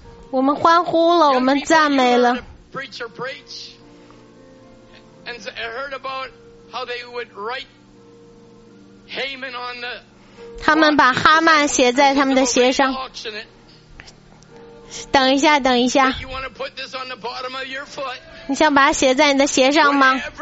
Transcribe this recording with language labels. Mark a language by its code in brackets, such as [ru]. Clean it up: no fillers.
[zh] 我们欢呼了，我们赞美了。 [en] Preacher preach, and I heard about how they would write Haman on the. [zh] 他们把哈曼写在他们的鞋上。等一下，等一下。 [en] You want to put this on the bottom of your foot? [zh] 你想把它写在你的鞋上吗？